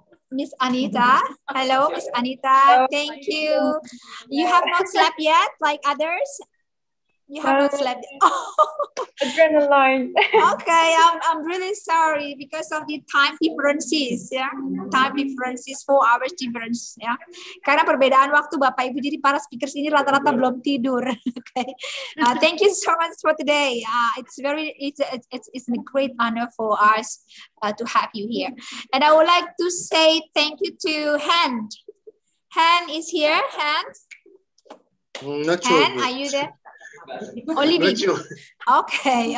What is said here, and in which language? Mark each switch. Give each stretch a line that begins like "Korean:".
English: Miss Anita, hello, Miss Anita. Hello, thank you. You have not slept yet, like others. You have not slept. Adrenaline. Okay, I'm really sorry because of the time differences. Yeah, time differences, 4 hours difference. Yeah,
Indonesian: karena perbedaan waktu Bapak Ibu, jadi para speakers ini rata-rata belum tidur.
English: Okay. Thank you so much for today. It's a great honor for us to have you here. And I would like to say thank you to Hend. Hend is here. Hend. Not sure. Hend, are you there? Olivia. Okay.